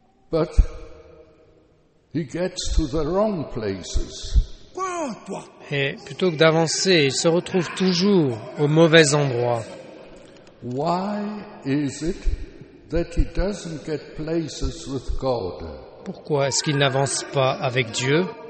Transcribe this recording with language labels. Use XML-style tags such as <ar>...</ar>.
<en>But he gets to the wrong places.</en> <fr>Et plutôt que d'avancer, il se retrouve toujours au mauvais endroit.</fr> <en>Why is it that he doesn't get places with God?</en> <fr>Pourquoi est-ce qu'il n'avance pas avec Dieu?</fr>